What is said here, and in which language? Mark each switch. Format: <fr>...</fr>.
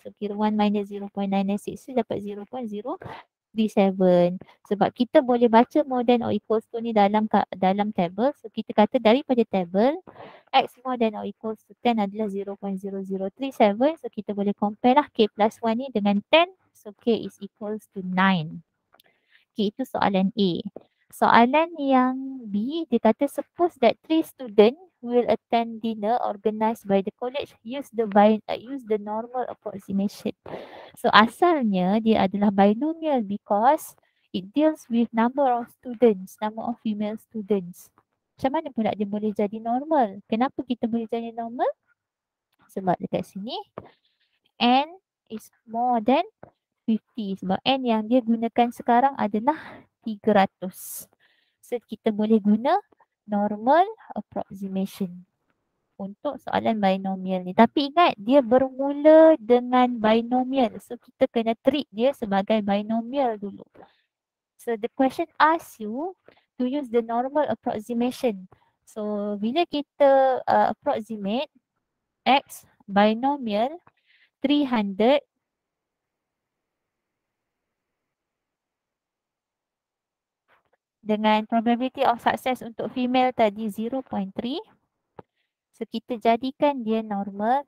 <ms>So kira 1 minus 0.96 tu dapat 0.037. Sebab kita boleh baca</ms> <en>more than or equals to</en> <ms>ni dalam table. So kita kata daripada table, x more than or equals to 10 adalah 0.0037. So kita boleh compare lah k plus 1 ni dengan 10.</ms> <en>So k is equals to 9. Okay,</en> <ms>itu soalan A. Soalan yang B, dia kata</ms> <en>suppose that 3 student will attend dinner organized by the college, use the normal approximation.</en> <ms>So asalnya dia adalah binomial</ms> <en>because it deals with number of students, number of female students.</en> <ms>Macam mana pula dia boleh jadi normal? Kenapa kita boleh jadi normal? Sebab dekat sini</ms> <en>n is more than 50.</en> <ms>Sebab n yang dia gunakan sekarang adalah 300. So kita boleh guna normal approximation untuk soalan binomial ni. Tapi ingat, dia bermula dengan binomial. So kita kena treat dia sebagai binomial dulu.</ms> <en>So the question asks you to use the normal approximation.</en> <ms>So bila kita approximate x binomial 300 dengan</ms> <en>probability of success</en> <ms>untuk female tadi 0.3. So kita jadikan dia normal.</ms>